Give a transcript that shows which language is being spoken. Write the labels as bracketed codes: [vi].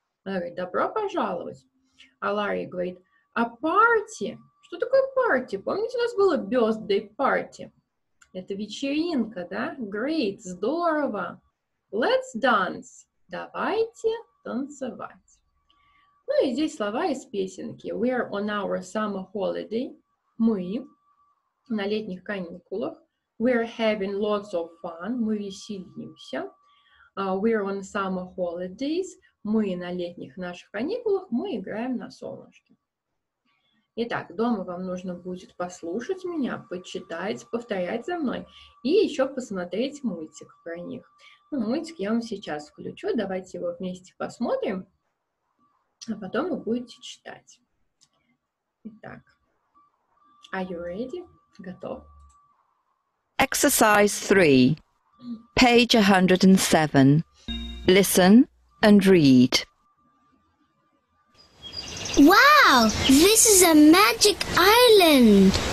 [ru] Она говорит, добро пожаловать. А Ларри говорит, [en] a party. [ru] Что такое party? Помните, у нас было [en] birthday party? [ru] Это вечеринка, да? Great, здорово. [en] Let's dance. [ru] Давайте танцевать. Ну и здесь слова из песенки. [en] We are on our summer holiday. [ru] Мы на летних каникулах. [en] We are having lots of fun. [ru] Мы веселимся. [en] We are on summer holidays. [ru] Мы на летних наших каникулах. Мы играем на солнышке. Итак, дома вам нужно будет послушать меня, почитать, повторять за мной. И еще посмотреть мультик про них. Ну, мультик я вам сейчас включу. Давайте его вместе посмотрим. А потом вы будете читать. [en] Итак, are you ready? [ru] Готов? [en] Exercise 3, page 107. Listen and read. Wow, this is a magic island.